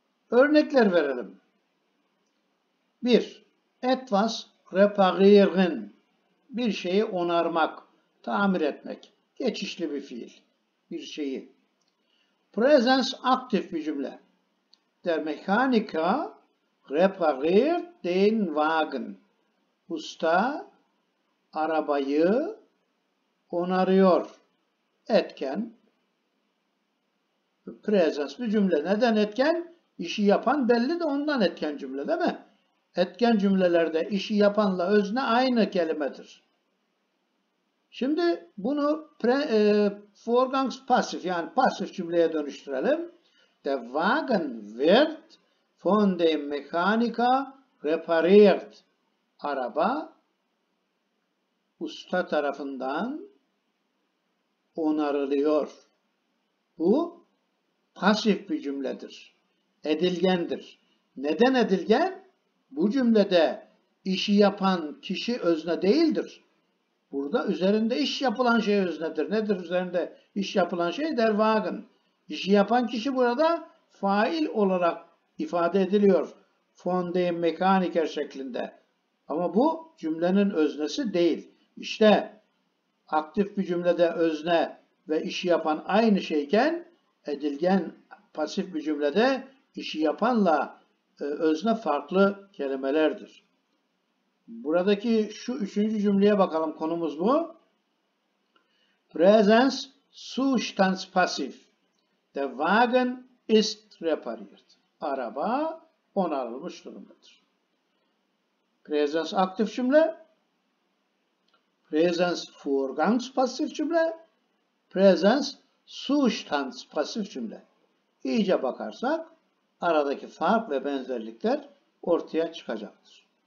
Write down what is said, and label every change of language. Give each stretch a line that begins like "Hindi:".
Turkish: Örnekler verelim. 1.
German: Etwas reparieren.
Turkish: Bir şeyi onarmak, tamir etmek. Geçişli bir fiil. Bir şeyi. Presence aktif bir cümle.
German: Der Mechaniker repariert den Wagen.
Turkish: Usta arabayı onarıyor. Etken. Presence bir cümle. Neden etken? İşi yapan belli de ondan etken cümle değil mi? Etken cümlelerde işi yapanla özne aynı kelimedir. Şimdi bunu Vorgangspassiv yani pasif cümleye dönüştürelim.
German: Der Wagen wird von dem Mechaniker repariert.
Turkish: Araba usta tarafından onarılıyor. Bu pasif bir cümledir. Edilgendir. Neden edilgen? Bu cümlede işi yapan kişi özne değildir. Burada üzerinde iş yapılan şey öznedir. Nedir üzerinde iş yapılan şey? Der Wagen. İşi yapan kişi burada fail olarak ifade ediliyor.
German: Von dem Mechaniker
Turkish: şeklinde. Ama bu cümlenin öznesi değil. İşte Aktif bir cümlede özne ve işi yapan aynı şeyken, edilgen pasif bir cümlede işi yapanla özne farklı kelimelerdir. Buradaki şu üçüncü cümleye bakalım, konumuz bu.
German: Präsens Zustands passiv. Der Wagen ist repariert.
Turkish: Araba onarılmış durumdadır. Präsens aktif cümle. Präsens Vorgangs passiv cümle. Präsens Zustands passiv cümle. İyice bakarsak aradaki fark ve benzerlikler ortaya çıkacaktır.